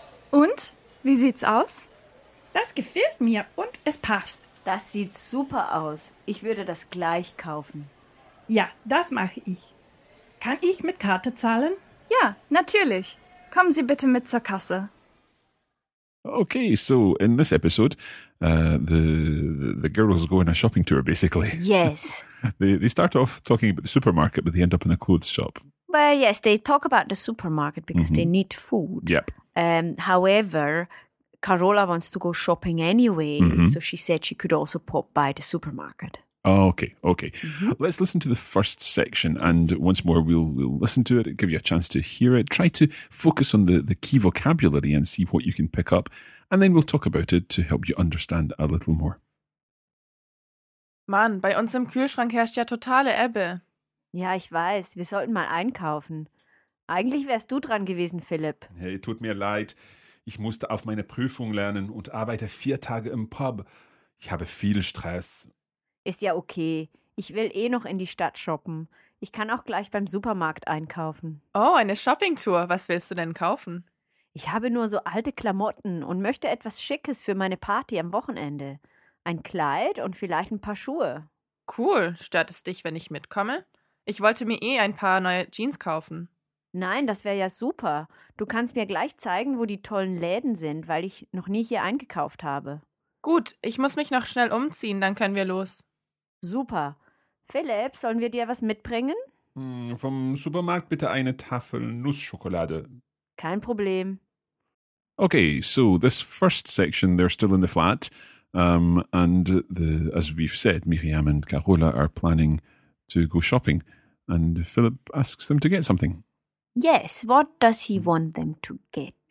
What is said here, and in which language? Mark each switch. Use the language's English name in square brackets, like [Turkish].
[German] Und, wie sieht's aus? Das gefällt mir und es passt. Das sieht super aus. Ich würde das gleich kaufen. Ja, das mache ich. Kann ich mit Karte zahlen? Ja, natürlich. Kommen Sie bitte mit zur Kasse. [English] Okay, so in this episode, the girls go on a shopping tour, basically. Yes. they start off talking about the supermarket, but they end up in the clothes shop. Well, yes, they talk about the supermarket because mm-hmm. they need food. Yep. However, Carola wants to go shopping anyway, mm-hmm. so she said she could also pop by the supermarket. Okay. Mm-hmm. Let's listen to the first section, and once more we'll listen to it, give you a chance to hear it. Try to focus on the key vocabulary and see what you can pick up, and then we'll talk about it to help you understand a little more. [German] Mann, bei uns im Kühlschrank herrscht ja totale Ebbe. Ja, ich weiß. Wir sollten mal einkaufen. Eigentlich wärst du dran gewesen, Philipp. Hey, tut mir leid. Ich musste auf meine Prüfung lernen und arbeite 4 Tage im Pub. Ich habe viel Stress. Ist ja okay. Ich will eh noch in die Stadt shoppen. Ich kann auch gleich beim Supermarkt einkaufen. Oh, eine Shoppingtour. Was willst du denn kaufen? Ich habe nur so alte Klamotten und möchte etwas Schickes für meine Party am Wochenende. Ein Kleid und vielleicht ein paar Schuhe. Cool. Stört es dich, wenn ich mitkomme? Ich wollte mir eh ein paar neue Jeans kaufen. Nein, das wäre ja super. Du kannst mir gleich zeigen, wo die tollen Läden sind, weil ich noch nie hier eingekauft habe. Gut, ich muss mich noch schnell umziehen, dann können wir los. Super. Philipp, sollen wir dir was mitbringen? Vom Supermarkt bitte eine Tafel Nussschokolade. Kein Problem. [English] Okay, so this first section, they're still in the flat. As we've said, Miriam and Carola are planning to go shopping. And Philip asks them to get something. Yes, what does he want them to get?